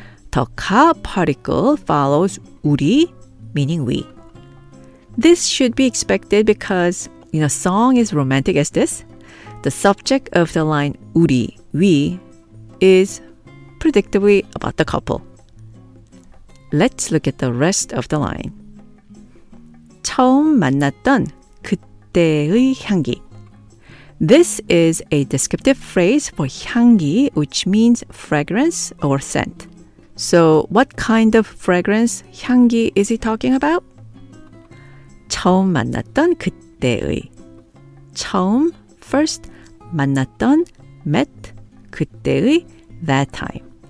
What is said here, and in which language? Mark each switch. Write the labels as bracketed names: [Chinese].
[English] The 가 particle follows 우리 meaning we. This should be expected because in a song as romantic as this, the subject of the line 우리 we is predictably about the couple. Let's look at the rest of the line. [Korean] 처음 만났던 그때의 향기. [English] This is a descriptive phrase for 향기, which means fragrance or scent. So what kind of fragrance 향기 is he talking about? [Korean] 처음 만났던 그때의. 처음, first, 만났던, met, 그때의, that time.